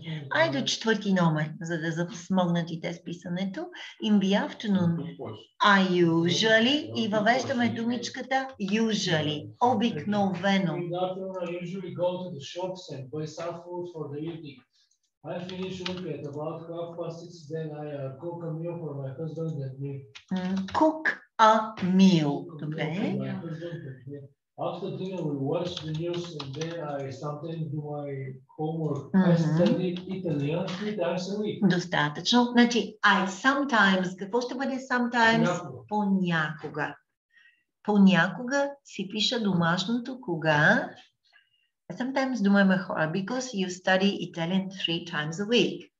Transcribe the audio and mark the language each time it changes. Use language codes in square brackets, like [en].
[bg] Айде четвърти номер, за да смогнат и те с писането. [en] In the afternoon, I usually, [bg] и въвеждаме думичката usually, обикновено. [en] In the afternoon, I usually go to the shops and buy some food for the evening. I finish work at about 6:30, then I cook a meal for my husband and me. Cook a meal, [bg] добре. [en] After dinner, we watch the news and then I sometimes do my homework. Mm-hmm. I study Italian 3 times a week. [bg] Достатъчно. Значи, [en] I sometimes, [bg] какво ще бъде sometimes? Понякога. Понякога си пиша домашното кога. [en] I sometimes do my homework because you study Italian 3 times a week.